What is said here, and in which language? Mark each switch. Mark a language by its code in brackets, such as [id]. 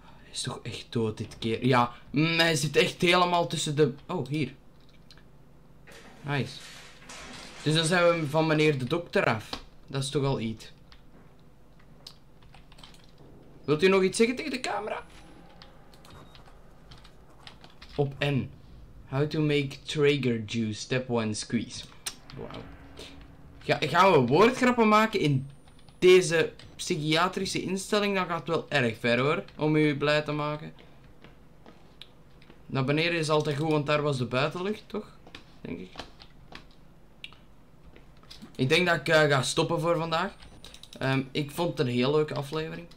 [nl] Is toch echt dood dit keer? Ja, hij zit echt helemaal tussen de... Oh, hier. Nice. Dus dan zijn we van meneer de dokter af. Dat is toch al iets. Wilt u nog iets zeggen tegen de camera? Op N. [en] How to make trigger juice. Step 1, squeeze. Wow. [nl] Gaan we woordgrappen maken in... Deze psychiatrische instelling, dat gaat wel erg ver, hoor. Om u blij te maken. Naar beneden is altijd goed, want daar was de buitenlucht, toch? Denk ik. Ik denk dat ik ga stoppen voor vandaag. Ik vond het een heel leuke aflevering.